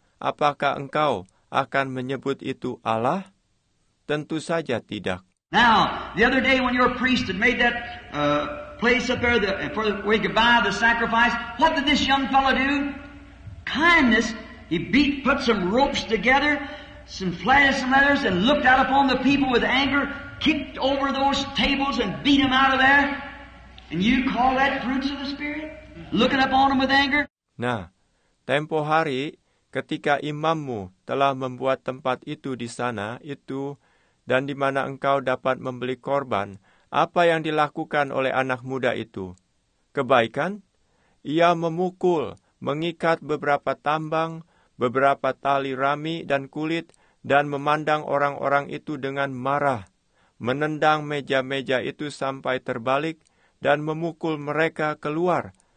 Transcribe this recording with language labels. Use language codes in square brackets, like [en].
[id] Apakah engkau akan menyebut itu Allah? Tentu saja tidak. [en] Now, the other day when your priest had made that place up there for where he could buy the sacrifice, what did this young fellow do? Kindness. He put some ropes together, some flattened some letters, and looked out upon the people with anger, kicked over those tables and beat them out of there. And you call that fruits of the Spirit? Looking upon them with anger? [id] Nah, tempo hari, ketika imammu telah membuat tempat itu di sana, itu, dan di mana engkau dapat membeli korban, apa yang dilakukan oleh anak muda itu? Kebaikan? Ia memukul, mengikat beberapa tambang, beberapa tali rami dan kulit, dan memandang orang-orang itu dengan marah, menendang meja-meja itu sampai terbalik, dan memukul mereka keluar.